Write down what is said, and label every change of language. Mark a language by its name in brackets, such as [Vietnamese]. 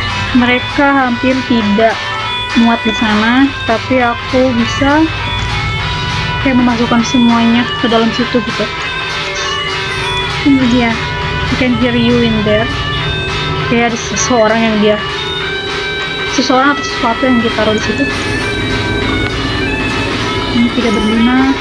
[Indonesian] Mereka hampir tidak muat di sana, tapi aku bisa kayak memasukkan semuanya ke dalam situ gitu. Ini dia, [English] I can hear you in there. [Indonesian] Kayak ada seseorang yang dia, seseorang atau sesuatu yang dia taruh di situ. Ini tidak berguna.